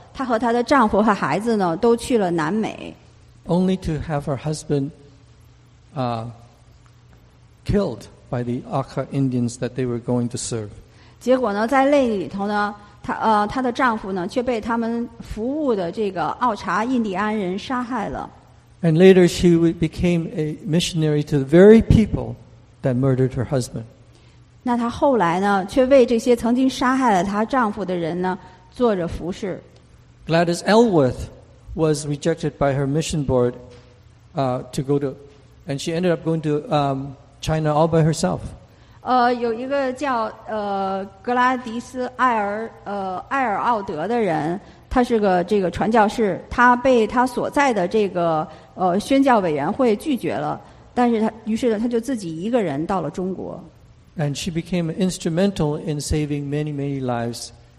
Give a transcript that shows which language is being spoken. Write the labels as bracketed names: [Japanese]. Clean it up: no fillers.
[Chinese] 她和她的丈夫和孩子呢，都去了南美。 [English] Only to have her husband killed by the Aka Indians that they were going to serve. [Chinese] 结果呢，在那里头呢，她的丈夫呢，却被他们服务的这个奥查印第安人杀害了。 [English] And later she became a missionary to the very people that murdered her husband. [Chinese] 那她后来呢，却为这些曾经杀害了她丈夫的人呢，做着服侍。 [English] Gladys Elworth was rejected by her mission board to go to, and she ended up going to China all by herself. [Chinese] 有一个叫格拉迪斯艾尔奥德的人，他是个这个传教士，他被他所在的这个宣教委员会拒绝了，但是于是呢，他就自己一个人到了中国。 [English] And she became instrumental in saving many, many lives.